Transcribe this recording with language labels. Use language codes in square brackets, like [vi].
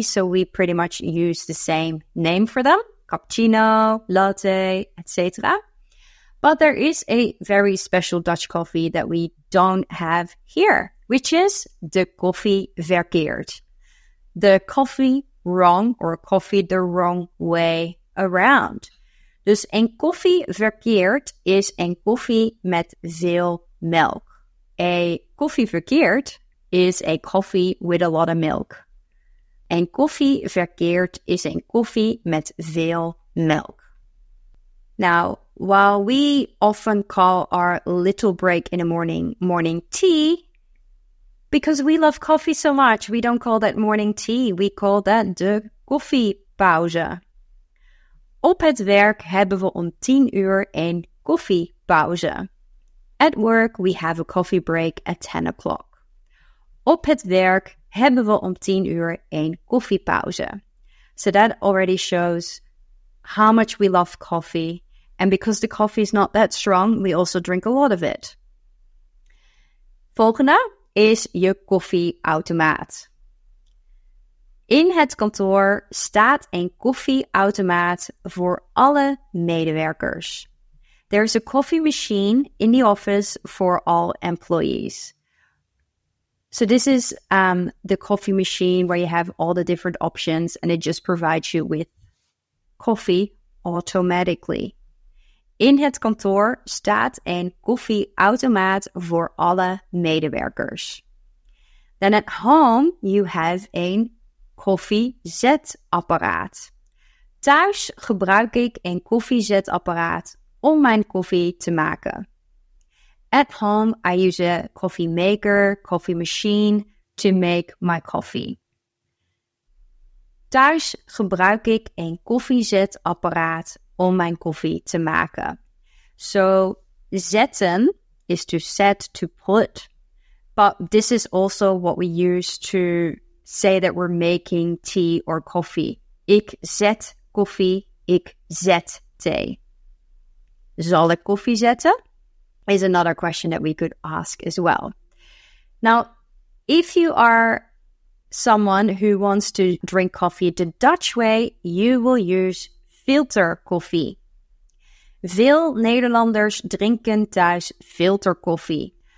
[en] So we pretty much use the same name for them. Cappuccino, latte, etc. But there is a very special Dutch coffee that we don't have here, which is de koffie verkeerd. The coffee wrong or coffee the wrong way around. [nl] Dus een koffie verkeerd is een koffie met veel melk. [en] A koffie verkeerd is a coffee with a lot of milk. [nl] Een koffie verkeerd is een koffie met veel melk. [en] Now, while we often call our little break in the morning tea, because we love coffee so much, we don't call that morning tea. We call that de koffiepauze. [nl] Op het werk hebben we om 10 uur een koffiepauze. [en] At work, we have a coffee break at 10 o'clock. [nl] Op het werk hebben we om 10 uur een koffiepauze. [en] So that already shows how much we love coffee. And because the coffee is not that strong, we also drink a lot of it. [nl] Volgende is je koffieautomaat. In het kantoor staat een koffieautomaat voor alle medewerkers. [en] There is a coffee machine in the office for all employees. So this is the coffee machine where you have all the different options and it just provides you with coffee automatically. [nl] In het kantoor staat een koffieautomaat voor alle medewerkers. [en] Then at home you have een koffiezetapparaat. [nl] Thuis gebruik ik een koffiezetapparaat om mijn koffie te maken. [en] At home I use a coffee maker, coffee machine to make my coffee. [nl] Thuis gebruik ik een koffiezetapparaat om mijn koffie te maken. [en] So, zetten is to set, to put. But this is also what we use to say that we're making tea or coffee. [nl] Ik zet koffie, ik zet thee. Zal ik koffie zetten? [en] Is another question that we could ask as well. Now, if you are someone who wants to drink coffee the Dutch way, you will use filter koffie. [nl] Veel Nederlanders drinken thuis filter koffie.